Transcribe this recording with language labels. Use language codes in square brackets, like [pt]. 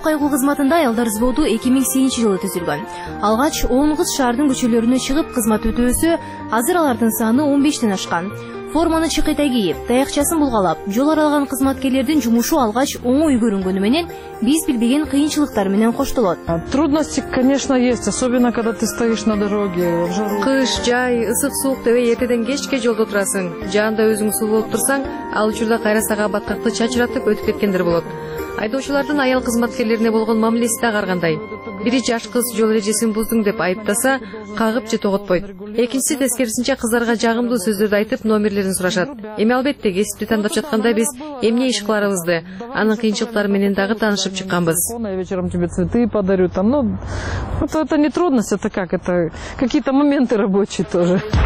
[ky] кайгуу кызматында аялдар взводу 2008 жылы түзүлгөн. Алгач 10 кыз шаардын көчөлөрүнө чыгып кызмат өтөөсө, азыр алардын саны 15'ден ашкан. Форманы чыкыта кийип, таякчасын булгалап, жол аралаган кызматкерлердин жумушу алгач оңой көрүнгөнү менен биз билбеген кыйынчылыктар менен коштолот. [ru] Трудности, конечно, есть, особенно когда ты стоишь на дороге в жару. [ky] Кыш, жай, ысык, суук деп эртеден кечке жолдо турасың. Жанында өзүң суу болуп турсаң, ал учурда кайра сага баткакты чачыратып өтүп кеткендер болот. Айдоочулардын аял кызматкерлерине болгон мамилеси да каргандай. Бири жаш кыз жол эрежесин буздуң деп айыптаса, кагып же тоготпойт. Экинчиси тескерисинче кызларга жагымдуу сөздөрдү айтып, номерлерин сурашат. Эми албетте, кесипти тандап жатканда биз эмне иш кыларыбызды, анын кыйынчылыктары менен дагы таанышып чыкканбыз. [ru] Вечером тебе цветы подарю там, ну, вот это не трудность, это как, это какие-то моменты рабочие тоже.